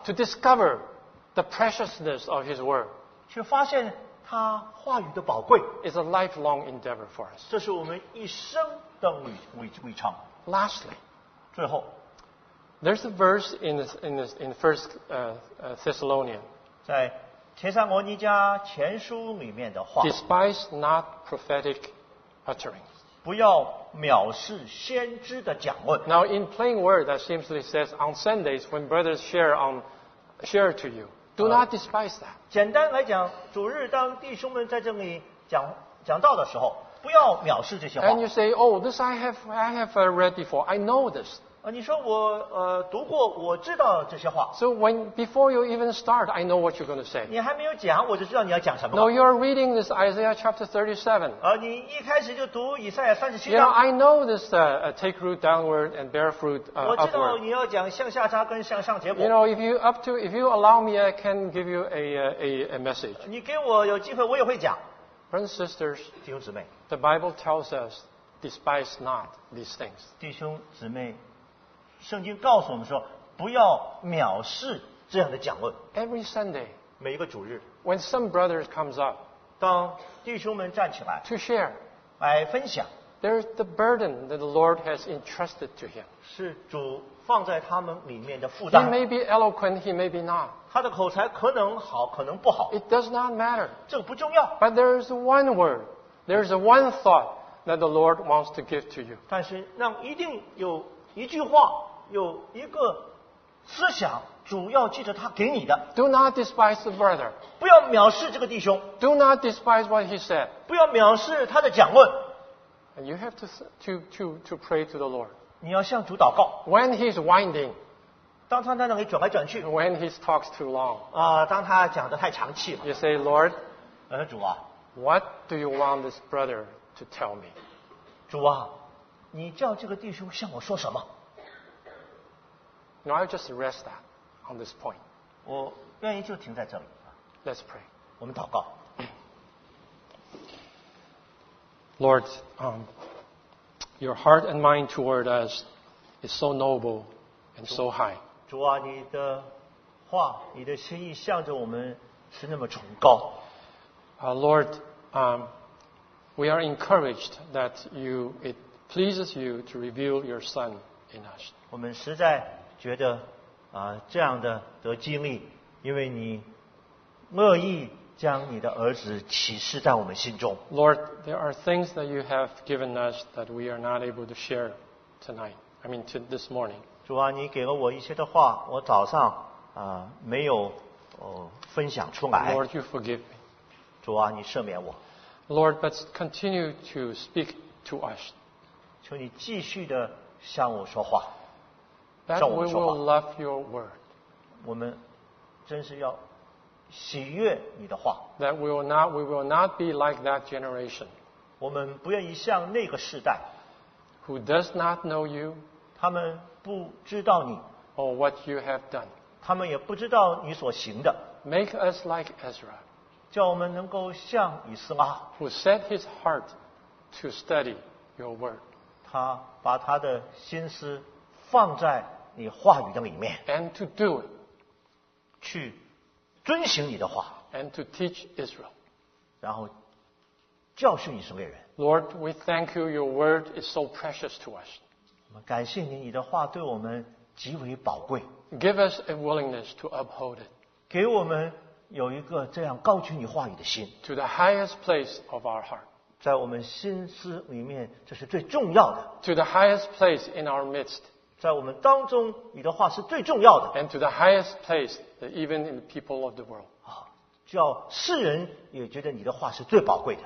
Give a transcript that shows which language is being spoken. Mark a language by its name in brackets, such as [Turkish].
[English] To discover the preciousness of His word. [Chinese] 去发现他话语的宝贵。 [English] It's a lifelong endeavor for us. [Chinese] 这是我们一生的旅程。 [English] Lastly. [Chinese] 最后。 [English] There's a verse in First Thessalonians. [Chinese] 在帖撒罗尼迦前书里面的话。 [English] Despise not prophetic uttering. [Chinese] 不要藐视先知的讲论。 [English] Now, in plain word, that simply says, on Sundays when brothers share to you, do not despise that. [Chinese] 简单来讲，主日当弟兄们在这里讲道的时候，不要藐视这些话。 [English] And you say, oh, this I have read before. I know this. [Chinese] 你说我读过，我知道这些话。 [English] So when before you even start, I know what you're going to say. [Chinese] 你还没有讲，我就知道你要讲什么。 [English] No, you are reading this Isaiah chapter 37. [Chinese] 你一开始就读以赛亚37章。 [English] Yeah, I know this take root downward and bear fruit upward. [Chinese] 我知道你要讲向下扎根，向上结果。 [English] You know, if you allow me, I can give you a message. [Chinese] 你给我有机会，我也会讲。 [English] Brothers, sisters, [Chinese] 弟兄姊妹 [English] ，The Bible tells us, despise not these things. [Chinese] 弟兄姊妹。圣经告诉我们说，不要藐视这样的讲论。 [English] Every Sunday， [Chinese] 每一个主日 [English] ，when some brothers comes up， [Chinese] 当弟兄们站起来 [English] ，to share， [Chinese] 来分享 [English] ，there's the burden that the Lord has entrusted to him， [Chinese] 是主放在他们里面的负担。 [English] He may be eloquent， he may be not， [Chinese] 他的口才可能好，可能不好。 [English] It does not matter， [Chinese] 这不重要。 [English] But there's one word， there's one thought that the Lord wants to give to you， [Chinese] 但是让一定有。一句话，有一个思想主要记着他给你的。 [English] Do not despise the brother. [Chinese] 不要藐视这个弟兄。 [English] Do not despise what he said. [Chinese] 不要藐视他的讲论。 [English] And you have to pray to the Lord. [Chinese] 你要向主祷告。 [English] When he's winding. [Chinese] 当他在那里转来转去。 [English] When he talks too long. [Chinese] 啊，当他讲得太长气了。 [English] You say, Lord. [Chinese] 主啊。 [English] What do you want this brother to tell me? [Chinese] 主啊，你叫这个弟兄向我说什么？ [English] No, I'll just rest that on this point. [Chinese] 我愿意就停在这里。 [English] Let's pray. [Chinese] 我们祷告。 [English] Lord, your heart and mind toward us is so noble and so high. [Chinese] 主啊，你的话，你的心意向着我们是那么崇高。 [English] Lord, we are encouraged that it pleases you to reveal your Son in us. [Chinese] 我们实在觉得这样的得经历，因为你乐意将你的儿子启示在我们心中。 [English] Lord, there are things that you have given us that we are not able to share tonight. I mean, to this morning. [Chinese] 主啊，你给了我一些的话，我早上没有分享出来。 [English] Lord, you forgive me. [Chinese] 主啊，你赦免我。 [English] Lord, but continue to speak to us. [Chinese] 求你继续的向我说话。 [English] That we will love your word. [Chinese] 我们真是要喜悦你的话。 [English] That we will not be like that generation. [Chinese] 我们不愿意像那个世代。 [English] Who does not know you? [Chinese] 他们不知道你。 [English] Or what you have done. [Chinese] 他们也不知道你所行的。 [English] Make us like Ezra. [Chinese] 叫我们能够像以斯拉。 [English] Who set his heart to study your word. [Chinese] 他把他的心思放在你话语的里面。 [English] And to do it. [Chinese] 去遵行你的话。 [English] And to teach Israel. [Chinese] 然后教训以色列人。 [English] Lord, we thank you, your word is so precious to us. [Chinese] 我们感谢你，你的话对我们极为宝贵。 [English] Give us a willingness to uphold it. [Chinese] 给我们有一个这样高举你话语的心。 [English] To the highest place of our heart. [Chinese] 在我们心思里面，这是最重要的。 [English] To the highest place in our midst. [Chinese] 在我们当中，你的话是最重要的。 [English] And to the highest place, even in the people of the world. [Chinese] 叫世人也觉得你的话是最宝贵的。